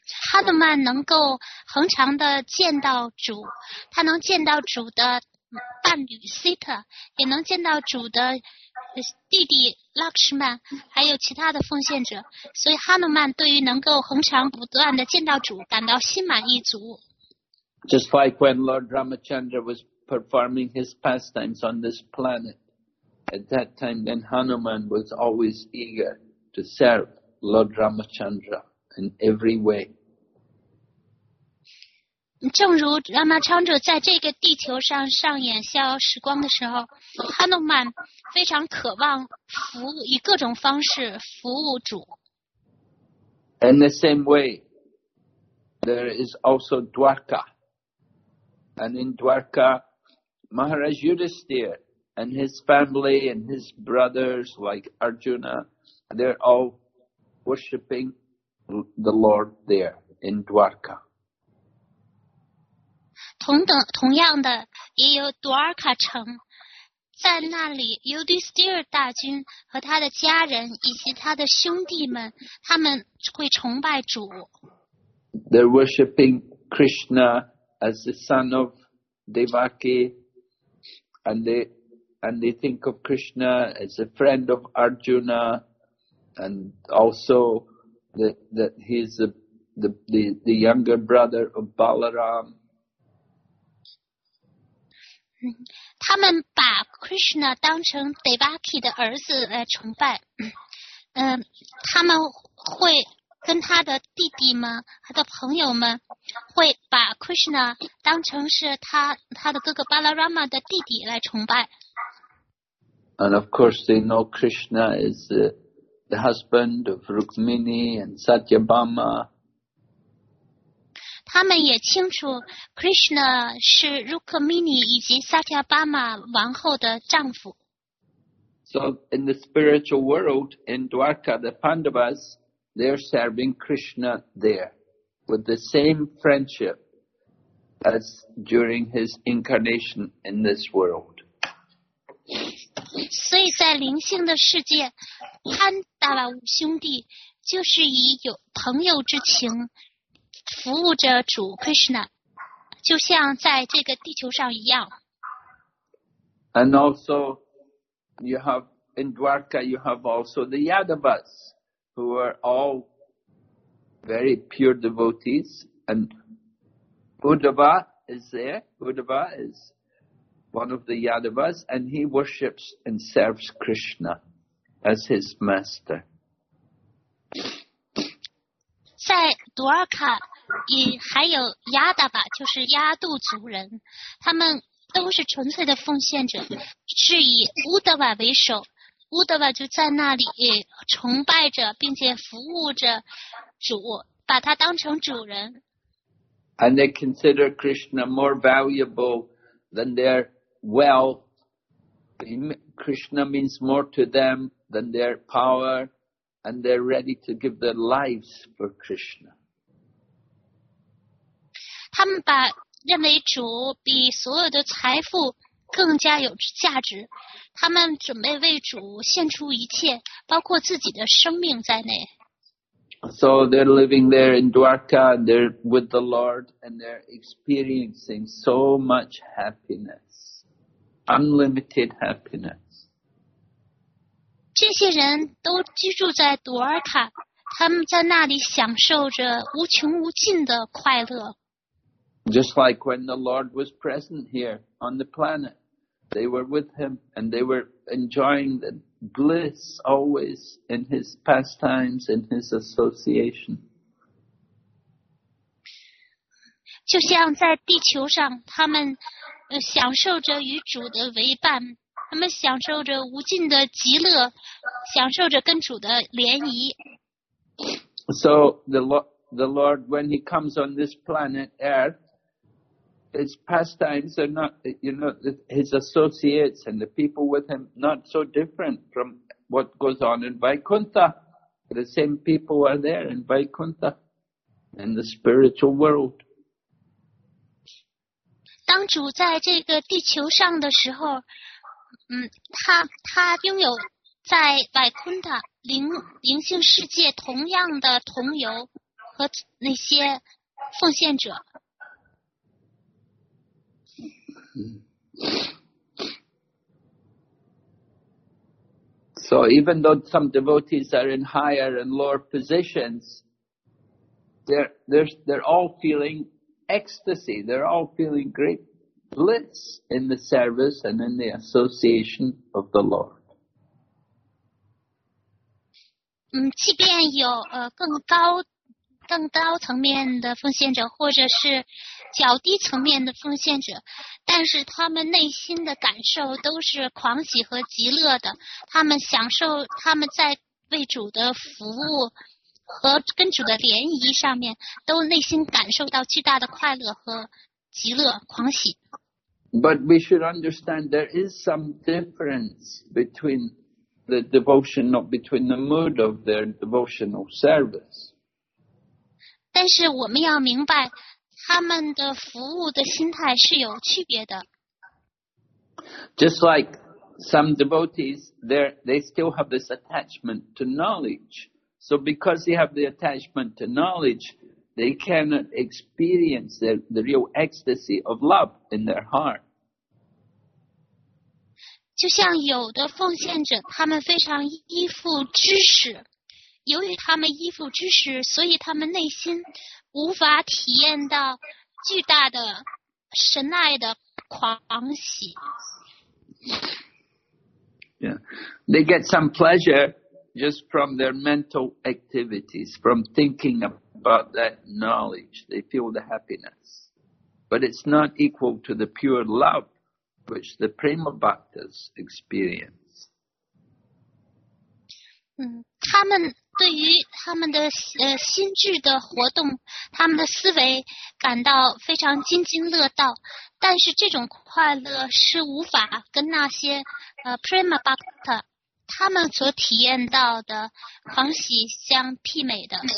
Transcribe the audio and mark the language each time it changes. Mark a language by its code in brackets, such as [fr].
[zh] 哈努曼能够恒常地见到主，他能见到主的伴侣 Sita， 也能见到主的弟弟 Lakshman， 还有其他的奉献者。所以哈努曼对于能够恒常不断地见到主感到心满意足。 [en] Just like when Lord Ramachandra was performing his pastimes on this planet, at that time then Hanuman was always eager to serve Lord Ramachandra in every way. [zh] 正如拉玛昌者在这个地球上上演逍遥时光的时候，哈努曼非常渴望服务，以各种方式服务主。 [en] In the same way, there is also Dwarka. And in Dwarka, Maharaj Yudhisthira and his family and his brothers like Arjuna, they're all worshipping the Lord there in Dwarka. [zh] 同样的也有 Dwarka 城，在那里 Yudhisthira 大君和他的家人以及他的兄弟们，他们会崇拜主。 [en] They're worshipping Krishna as the son of Devaki, and they think of Krishna as a friend of Arjuna, and also that he's the younger brother of Balaram. [zh] 他们把 Krishna 当成 Devaki 的儿子来崇拜，他们会跟他的弟弟们他的朋友们会把 Krishna 当成是他的哥哥 Balarama 的弟弟来崇拜。 [en] And of course they know Krishna is the husband of Rukmini and Satyabhama. [zh] 他们也清楚 Krishna 是 Rukmini 以及 Satyabhama 王后的丈夫。 [en] So in the spiritual world, in Dwarka, the Pandavas, they're serving Krishna there with the same friendship as during his incarnation in this world. [zh] 所以在灵性的世界，潘达瓦五兄弟就是以有朋友之情服务着主 Krishna， 就像在这个地球上一样。 [en] And also, you have in Dwarka, you have also the Yadavas. Who are all very pure devotees, and Uddhava is there. Uddhava is one of the Yadavas, and he worships and serves Krishna as his master. [zh] 在 Dwarka 也还有 Yadava， 就是亚度族人，他们都是纯粹的奉献者，是以 Uddhava 为首。乌德瓦就在那里崇拜着并且服务着主，把他当成主人。 [en] And they consider Krishna more valuable than their wealth. Krishna means more to them than their power, and they're ready to give their lives for Krishna. [zh] 他们把认为主比所有的财富更加有价值，他们准备为主献出一切，包括自己的生命在内。 [en] So they're living there in Dwarka, and they're with the Lord, and they're experiencing so much happiness, unlimited happiness. [zh] 这些人都居住在 Dwarka， 他们在那里享受着无穷无尽的快乐。 [en] Just like when the Lord was present here on the planet. They were with him, and they were enjoying the bliss always in his pastimes, in his association. [zh] 就像在地球上，他们享受着与主的为伴，他们享受着无尽的极乐，享受着跟主的联谊。 [en] So the Lord, when he comes on this planet Earth,His pastimes are not, you know, his associates and the people with him, not so different from what goes on in Vaikuntha. The same people are there in Vaikuntha, in the spiritual world. [zh] 当主在这个地球上的时候，他拥有在 Vaikuntha 灵性世界同样的同游和那些奉献者。 [en] So even though some devotees are in higher and lower positions, they're all feeling ecstasy. They're all feeling great bliss in the service and in the association of the Lord. [zh] 即便有更高层面的奉献者，或者是较低层面的奉献者，但是他们内心的感受都是狂喜和极乐的。他们享受他们在为主的服务和跟主的联谊上面，都内心感受到巨大的快乐和极乐狂喜。 [en] But we should understand there is some difference between the devotional, between the mood of their devotional service. [zh] 但是我们要明白他们的服务的心态是有区别的。 [en] Just like some devotees, they still have this attachment to knowledge. So because they have the attachment to knowledge, they cannot experience the real ecstasy of love in their heart. [zh] 就像有的奉献者，他们非常依附知识，由于他们依附知识，所以他们内心无法体验到巨大的神爱的狂喜。 [en] Yeah, they get some pleasure just from their mental activities, from thinking about that knowledge, they feel the happiness. But it's not equal to the pure love which the Prema Bhaktas experience. [zh] 他们对于他们的心智的活动，他们的思维感到非常津津乐道，但是这种快乐是无法跟那些Prema Bhakta他们所体验到的狂喜相媲美的。